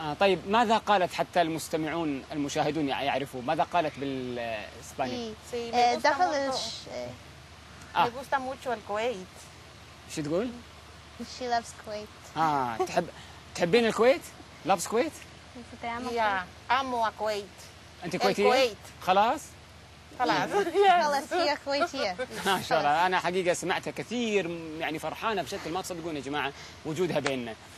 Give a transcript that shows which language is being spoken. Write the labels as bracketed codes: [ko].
[ar] طيب ماذا قالت حتى المستمعون المشاهدون يعرفوا ماذا قالت بالاسباني؟ [es] دخل me gusta mucho el Kuwait. [ar] شو تقول؟ [en] She loves Kuwait. [ar] تحبين الكويت؟ [en] loves Kuwait؟ [es] Yeah. Amo a Kuwait. [ar] أنت كويتية؟ خلاص؟ خلاص خلاص هي كويتية ما شاء الله. أنا حقيقة سمعتها كثير، يعني فرحانة بشكل ما تصدقون يا جماعة وجودها بيننا.